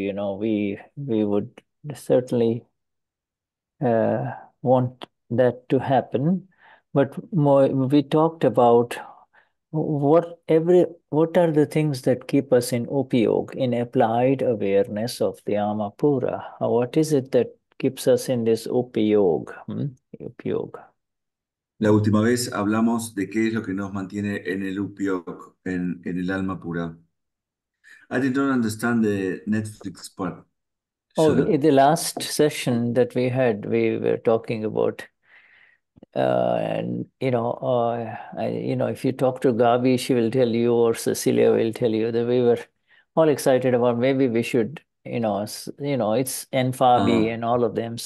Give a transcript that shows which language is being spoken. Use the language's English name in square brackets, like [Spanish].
[English] You know, we would certainly want that to happen, but more, we talked about what are the things that keep us in upayog, in applied awareness of the Amapura. What is it that keeps us in this upayog? Upayog. [Spanish] La última vez hablamos de qué es lo que nos mantiene en el upyog, en el alma pura. [English] I did not understand the Netflix part. So oh, in the last session that we had, we were talking about, if you talk to Gabi, she will tell you, or Cecilia will tell you, that we were all excited about maybe we should, you know, it's Enfabi and all of them.